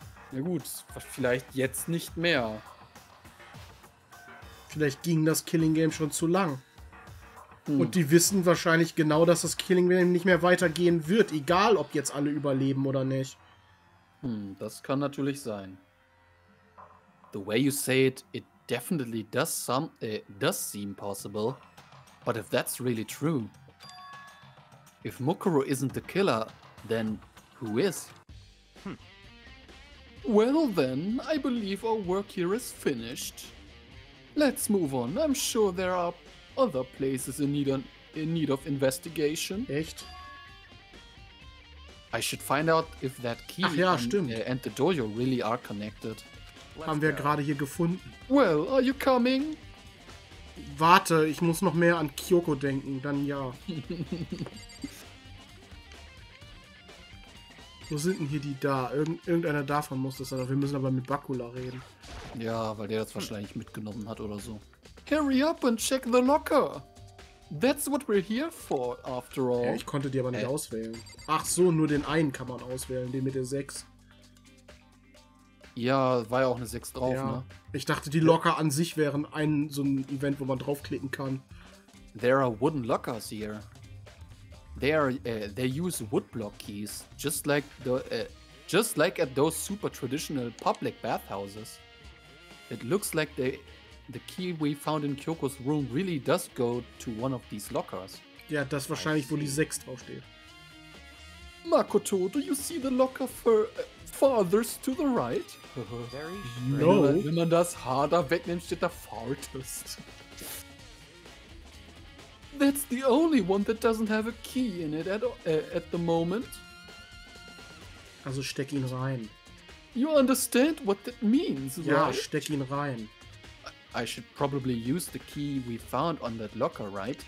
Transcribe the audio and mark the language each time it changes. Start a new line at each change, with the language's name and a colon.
German: Na gut, vielleicht jetzt nicht mehr. Vielleicht ging das Killing Game schon zu lang. Und die wissen wahrscheinlich genau, dass das Killing Game nicht mehr weitergehen wird, egal ob jetzt alle überleben oder nicht. Das kann natürlich sein.
English: The way you say it, it definitely does seem possible. But if that's really true, if Mukuro isn't the killer, then who is? Well then, I believe our work here is finished. Let's move on. I'm sure there are other places in need of investigation.
German: Echt?
English: I should find out if that key and the dojo really are connected.
German: Haben wir gerade hier gefunden.
English: Well, are you coming?
German: Warte, ich muss noch mehr an Kyoko denken, dann ja. Wo sind denn hier die da? Irgendeiner davon muss das sein. Wir müssen aber mit Bakula reden. Ja, weil der das wahrscheinlich mitgenommen hat oder so.
English: Hurry up and check the locker. That's what we're here for, after all.
German: Ja, ich konnte die aber nicht auswählen. Ach so, nur den einen kann man auswählen, den mit der 6. Ja, war ja auch eine 6 drauf, ne? Ich dachte, die Locker an sich wären so ein Event, wo man draufklicken kann.
English: There are wooden lockers here. They use woodblock keys, just like at those super traditional public bathhouses. It looks like they the key we found in Kyoko's room really does go to one of these lockers.
German: Ja, das wahrscheinlich, wo die 6 draufsteht.
English: Makoto, do you see the locker for farthest to the right? No.
German: Wenn man das H da wegnimmt, steht da farthest.
English: That's the only one that doesn't have a key in it at the moment.
German: Also steck ihn rein.
English: You understand what that means,
German: ja,
English: right?
German: Ja, steck ihn rein.
English: I should probably use the key we found on that locker, right?